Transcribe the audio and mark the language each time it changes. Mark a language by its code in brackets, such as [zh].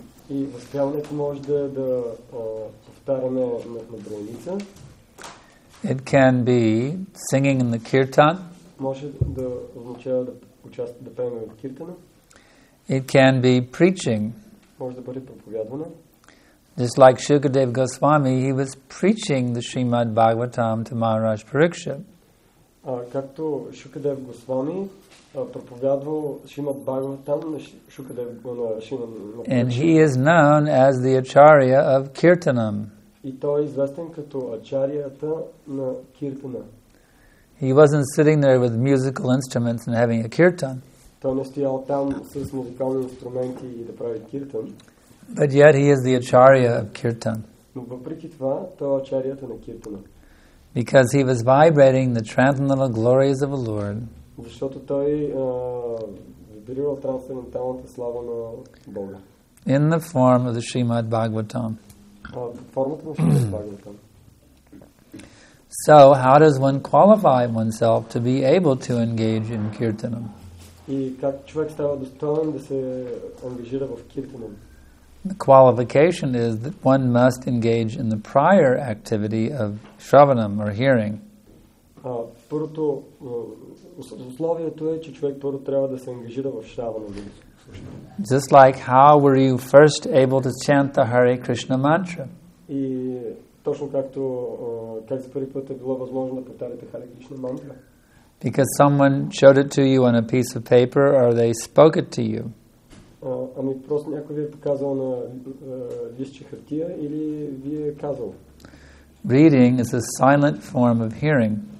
[bg] И възпяването може да повтаряме на дреница. [en] It can be singing in the kirtan. [bg] Може да означава да участваме да пеем в киртана. [en] It can be preaching. [bg] Може да бъде проповядване. [en] Just like Shukadev Goswami, he was preaching the Srimad Bhagavatam to Maharaj Parikshit. [bg] Както Shukadev Goswami проповядвал Шримад Бхагаватам на Шукадев Шримад Бхагаватам. [en] And he is known as the Acharya of Kirtanam. [bg] И той е известен като Ачарията на Киртана. [en] He wasn't sitting there with musical instruments and having a kirtan. [bg] Той не стоял там с музикални инструменти и да прави киртан. [en] But yet he is the Acharya of Kirtan. [bg] Но въпреки това, той е Ачарията на Киртана. [en] Because he was vibrating the transcendental glories of the Lord. [bg] Защото той вибрирал трансценденталната слава на Бога. [en] In the form of the Srimad Bhagavatam. [bg] Формата на Srimad Bhagavatam. [en] So, how does one qualify oneself to be able to engage in kirtanam? [bg] И как човек става достоен да се ангажира в киртанам? [en] The qualification is that one must engage in the prior activity of shravanam or hearing. [bg] Първото условието е, че човек първо трябва да се ангажира в шравана. [en] Just like how were you first able to chant the Hare Krishna mantra? [bg] И точно както как за първи път е било възможно да повтаряте Hare Krishna mantra? [en] Because someone showed it to you on a piece of paper or they spoke it to you. [bg] Ами просто някой ви е показал на листче хартия или ви е казал. [en] Reading is a silent form of hearing.